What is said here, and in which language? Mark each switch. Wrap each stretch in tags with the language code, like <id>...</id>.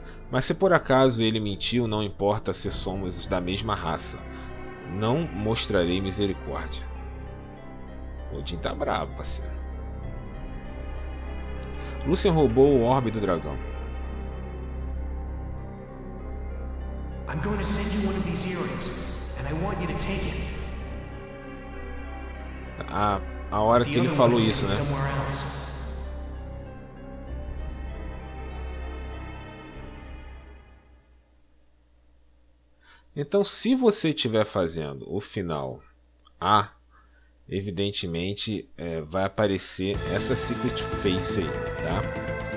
<pt>Mas se por acaso ele mentiu, não importa se somos da mesma raça. Não mostrarei misericórdia. Odin tá bravo, parceiro. Lucien roubou o Orbe do Dragão.</pt> <en>I'm going to send you one of these earrings, and I want you to take it.</en> <pt>A hora que ele falou isso, né? Então, se você estiver fazendo o final A, evidentemente vai aparecer essa Secret Face aí, tá?</pt>